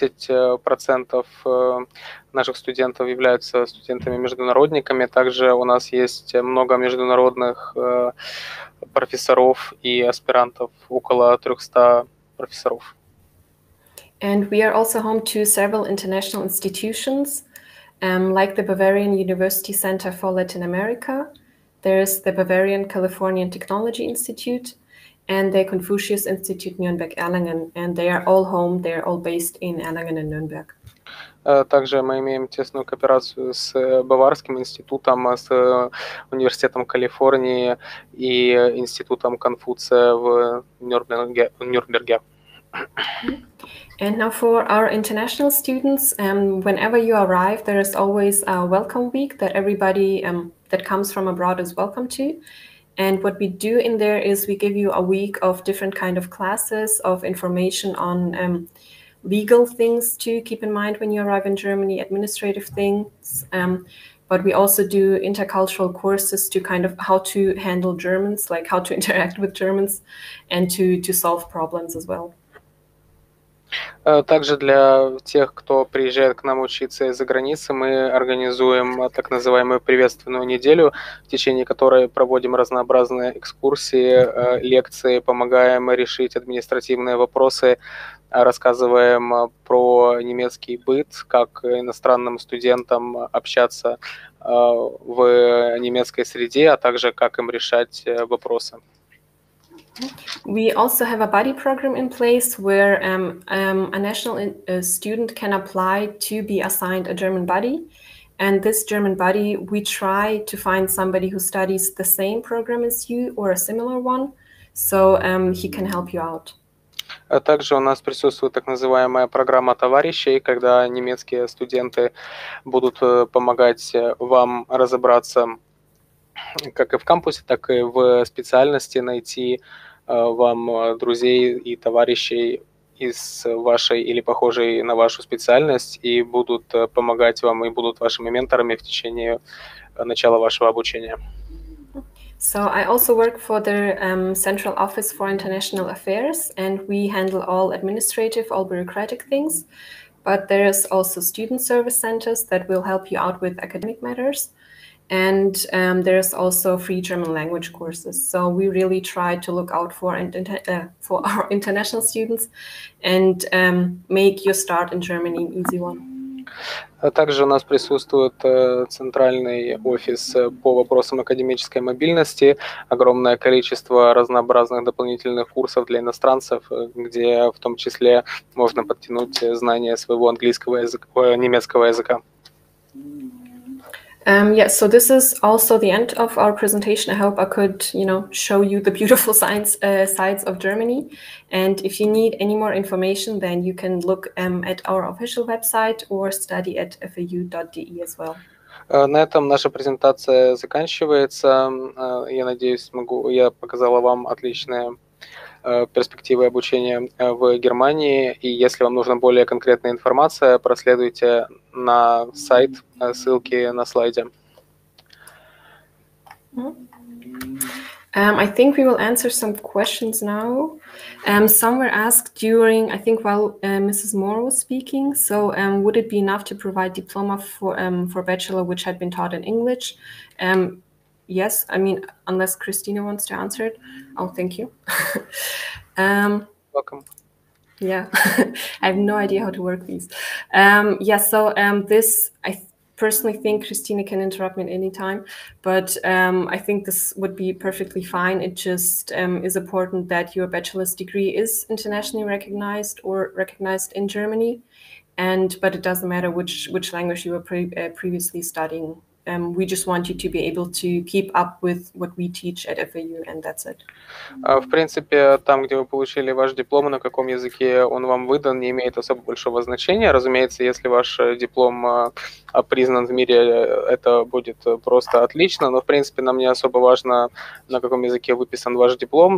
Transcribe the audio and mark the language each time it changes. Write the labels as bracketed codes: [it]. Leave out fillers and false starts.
[ru] 10% наших студентов являются студентами-международниками. Также у нас есть много международных профессоров и аспирантов, около 300 профессоров. [en] And we are also home to several international institutions, like the Bavarian University Center for Latin America. There is the Bavarian Californian Technology Institute and the Confucius Institute Nürnberg Erlangen, and they are all home, they are all based in Erlangen and Nürnberg. [ru] Также мы имеем тесную кооперацию с Баварским институтом, с Университетом Калифорнии и Институтом Конфуция в Нюрнберге. [en] And now for our international students, whenever you arrive, there is always a welcome week that everybody that comes from abroad is welcome to. And what we do in there is we give you a week of different kind of classes, of information on legal things to keep in mind when you arrive in Germany, administrative things. But we also do intercultural courses to kind of how to handle Germans, like how to interact with Germans and to solve problems as well. [ru] Также для тех, кто приезжает к нам учиться из-за границы, мы организуем так называемую приветственную неделю, в течение которой проводим разнообразные экскурсии, лекции, помогаем решить административные вопросы, рассказываем про немецкий быт, как иностранным студентам общаться в немецкой среде, а также как им решать вопросы. [en] We also have a buddy program in place where a student can apply to be assigned a German buddy. And this German buddy, we try to find somebody who studies the same program as you or a similar one, so he can help you out. [ru] Также у нас присутствует так называемая программа товарищей, когда немецкие студенты будут помогать вам разобраться как и в кампусе, так и в специальности, найти вам друзей и товарищей из вашей или похожей на вашу специальность и будут помогать вам и будут вашими менторами в течение начала вашего обучения. [en] So I also work for the Central Office for International Affairs, and we handle all administrative, all bureaucratic things. But there is also student service centers that will help you out with academic matters. And there's also free German language courses. So we really try to look out for our international students and make your start in Germany an easy one. [ru] Также у нас присутствует центральный офис по вопросам академической мобильности, огромное количество разнообразных дополнительных курсов для иностранцев, где в том числе можно подтянуть знания своего английского языка, немецкого языка. [en] So this is also the end of our presentation. I hope I could, you know, show you the beautiful sides of Germany. And if you need any more information, then you can look at our official website or study at fau.de as well. [ru] На этом наша презентация заканчивается. Я надеюсь, я показала вам отличные перспективы обучения в Германии. И если вам нужна более конкретная информация, проследуйте на сайт, ссылки на слайде. [en] I think we will answer some questions now. Some were asked during, I think, while Mrs. Moore was speaking. So would it be enough to provide diploma for bachelor which had been taught in English? Yes, I mean, unless Christina wants to answer it. Oh, thank you. Welcome. Yeah, I have no idea how to work these. So this, I personally think, Christina can interrupt me at any time, but I think this would be perfectly fine. It just is important that your bachelor's degree is internationally recognized or recognized in Germany. But it doesn't matter which language you were previously studying. We just want you to be able to keep up with what we teach at FAU, and that's it. [ru] В принципе, там, где вы получили ваш диплом, на каком языке он вам выдан, не имеет особо большого значения. Разумеется, если ваш диплом признан в мире, это будет просто отлично. Но, в принципе, нам не особо важно, на каком языке выписан ваш диплом.